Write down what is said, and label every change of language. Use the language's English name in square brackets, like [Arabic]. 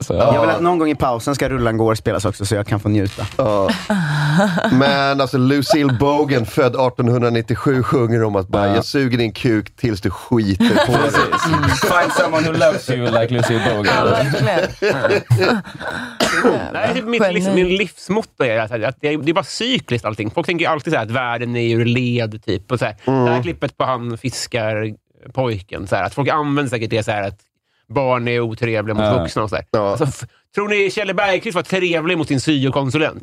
[Swedish] Jag vill att någon gång i pausen ska rullan gå och spelas också så jag kan få njuta. Men alltså Lucille Bogen född 1897 sjunger om att bara jag suger din kuk tills du skiter på dig. [English] Find someone who loves you like Lucille Bogen. [Swedish] Det är typ min livsmotto är att det är bara cykliskt allting. Folk tänker alltid så här att världen är ju led typ och så här. Det här klippet på han fiskar pojken så här, att folk använder säkert det så här att barn är otrevliga mot vuxna och så här. Ja. Alltså, tror ni Kjell Bergqvist var trevlig mot sin syokonsulent?